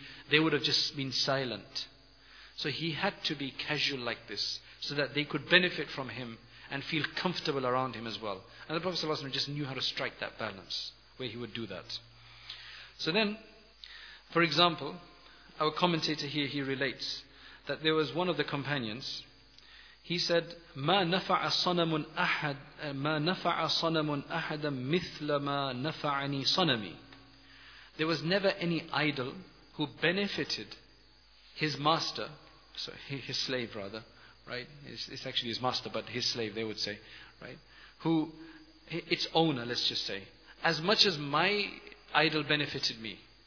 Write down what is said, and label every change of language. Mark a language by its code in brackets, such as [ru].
[en] They would have just been silent. So he had to be casual like this, so that they could benefit from him and feel comfortable around him as well. And the Prophet ﷺ just knew how to strike that balance, where he would do that. So then, for example, our commentator here, he relates that there was one of the companions, [ar] He said, مَا نَفَعَ صَنَمٌ أَحَدٌ مَا نَفَعَ صَنَمٌ أَحَدًا مِثْلَ مَا نَفَعَنِي صَنَمِي. [en] There was never any idol who benefited his master, so his slave rather, right? It's actually his master, but his slave, they would say, right? Who, its owner, let's just say, as much as my idol benefited me.